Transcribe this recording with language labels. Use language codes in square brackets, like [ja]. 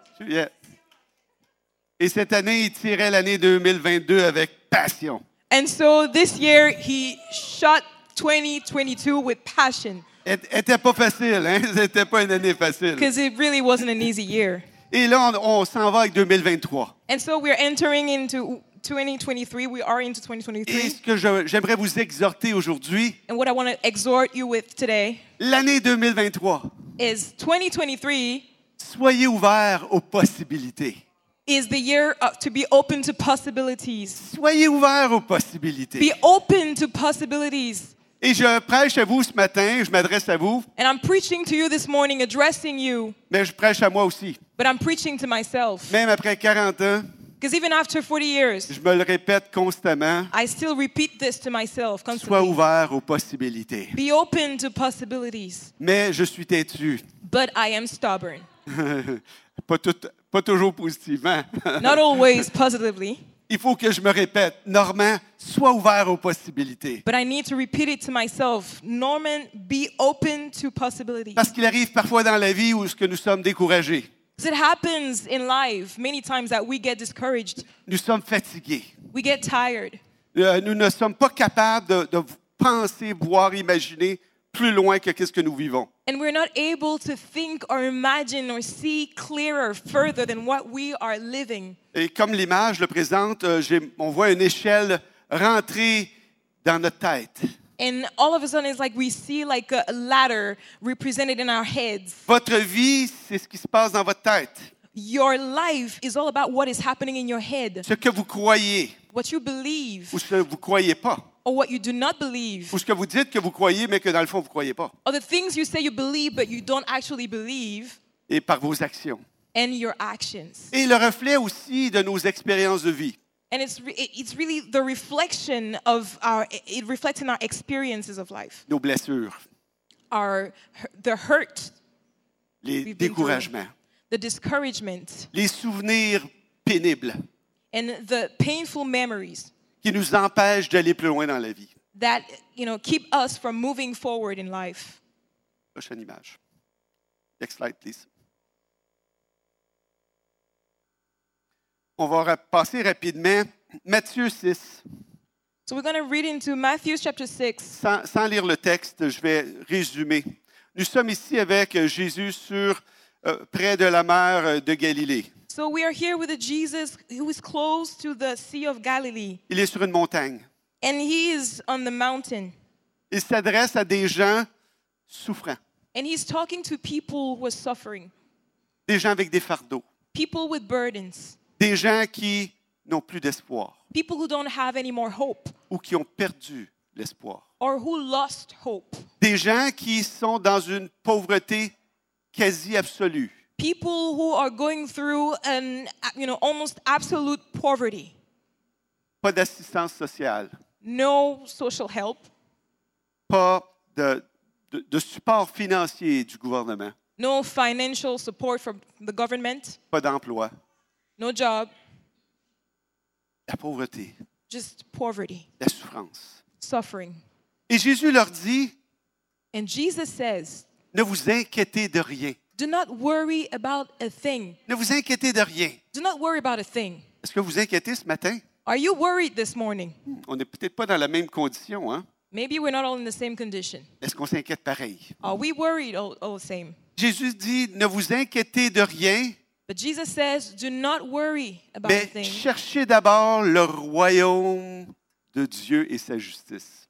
[fr] Yeah. Et cette année, il tirait l'année 2022 avec passion. [en] And so this year, he shot 2022 with passion. [fr] Était pas facile, hein? C'était pas une année facile. [en] Because it really wasn't an easy year. [fr] Et là, on s'en va avec 2023. [en] And so we're entering into 2023. We are into 2023. [fr] Et ce que j'aimerais vous exhorter aujourd'hui. [en] And what I want to exhort you with today. [fr] L'année 2023. [en] Is 2023. [fr] Soyez ouverts aux possibilités. [en] Is the year to be open to possibilities. [fr] Soyez ouverts aux possibilités. [en] Be open to possibilities. [fr] Et je prêche à vous ce matin, je m'adresse à vous. [en] And I'm preaching to you this morning, addressing you. [fr] Mais je prêche à moi aussi. [en] But I'm preaching to myself. [fr] Même après 40 ans. [en] Because even after 40 years. [fr] Je me le répète constamment. [en] I still repeat this to myself constantly. [fr] Sois ouvert aux possibilités. [en] Be open to possibilities. [fr] Mais je suis têtu. [en] But I am stubborn. [fr] pas toujours positivement. [en] Not always positively. [fr] Il faut que je me répète, Norman, sois ouvert aux possibilités. [en] But I need to repeat it to myself. Norman, be open to possibilities. [fr] Parce qu'il arrive parfois dans la vie où ce que nous sommes découragés. [en] Because it happens in life many times that we get discouraged. [fr] Nous sommes fatigués. [en] We get tired. [fr] Nous ne sommes pas capables de penser, voir, imaginer plus loin que qu'est-ce que nous vivons. [en] And we're not able to think or imagine or see clearer, further than what we are living. [fr] Et comme l'image le présente, on voit une échelle rentrer dans notre tête. [en] And all of a sudden, it's like we see like a ladder represented in our heads. [fr] Votre vie, c'est ce qui se passe dans votre tête. [en] Your life is all about what is happening in your head. [fr] Ce que vous croyez. [en] What you believe. [fr] Ou ce que vous croyez pas. [en] Or what you do not believe. [fr] Ou ce que vous dites que vous croyez, mais que dans le fond, vous croyez pas. [en] Or the things you say you believe, but you don't actually believe. [fr] Et par vos actions. [en] And your actions. [fr] Et le reflet aussi de nos expériences de vie. [en] And it's really the reflection of our, it reflects in our experiences of life. [fr] Nos blessures. [en] The hurt. [fr] Les découragements. [en] The discouragement. [fr] Les souvenirs pénibles. [en] And the painful memories. [fr] Qui nous empêche d'aller plus loin dans la vie. [en] That, you know, keep us from moving forward in life. [fr] Prochaine image. [en] Next slide, please. [fr] On va passer rapidement. Matthieu 6. [en] So we're going to read into Matthew chapter 6. [fr] Sans lire le texte, je vais résumer. Nous sommes ici avec Jésus près de la mer de Galilée. [en] So we are here with a Jesus who is close to the Sea of Galilee. [fr] Il est sur une montagne. [en] And he is on the mountain. [fr] Il s'adresse à des gens souffrants. [en] And he's talking to people who are suffering. [fr] Des gens avec des fardeaux. [en] People with burdens. [fr] Des gens qui n'ont plus d'espoir. [en] People who don't have any more hope. [fr] Ou qui ont perdu l'espoir. [en] Or who lost hope. [fr] Des gens qui sont dans une pauvreté quasi absolue. [en] People who are going through an, you know, almost absolute poverty. [fr] Pas d'assistance sociale. [en] No social help. [fr] Pas de support financier du gouvernement. [en] No financial support from the government. [fr] Pas d'emploi. [en] No job. [fr] La pauvreté. [en] Just poverty. [fr] La souffrance. [en] Suffering. [fr] Et Jésus leur dit. [en] And Jesus says. [fr] Ne vous inquiétez de rien. [en] Do not worry about a thing. [fr] Ne vous inquiétez de rien. [en] Do not worry about a thing. [fr] Est-ce que vous inquiétez ce matin? [en] Are you worried this morning? [fr] On n'est peut-être pas dans la même condition, hein? [en] Maybe we're not all in the same condition. [fr] Est-ce qu'on s'inquiète pareil? [en] Are we worried all the same? [fr] Jésus dit, ne vous inquiétez de rien. [en] But Jesus says, do not worry about anything. [fr] Mais cherchez d'abord le royaume de Dieu et sa justice.